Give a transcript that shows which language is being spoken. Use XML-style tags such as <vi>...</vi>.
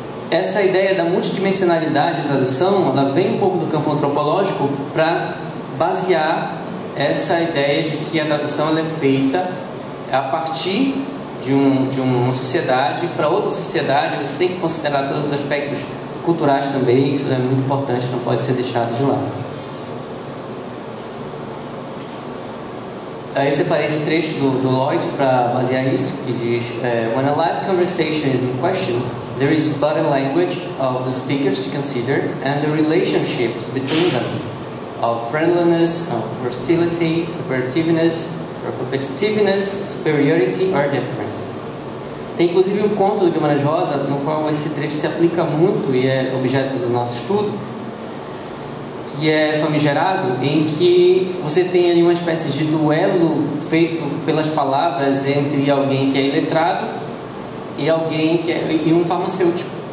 <pt>essa ideia da multidimensionalidade da tradução, ela vem um pouco do campo antropológico para basear essa ideia de que a tradução ela é feita a partir de uma sociedade para outra sociedade. Você tem que considerar todos os aspectos culturais também, isso é muito importante, não pode ser deixado de lado. Aí eu separei esse trecho do Lloyd para basear isso, que diz:</pt> <en>"When a live conversation is in question, there is but a language of the speakers to consider and the relationships between them, of friendliness, of hostility, cooperativeness, or competitiveness, superiority or difference."</en> <pt>Tem inclusive um conto do Guimarães Rosa no qual esse trecho se aplica muito e é objeto do nosso estudo, que é famigerado, em que você tem ali uma espécie de duelo feito pelas palavras entre alguém que é iletrado e alguém que é um farmacêutico.</pt>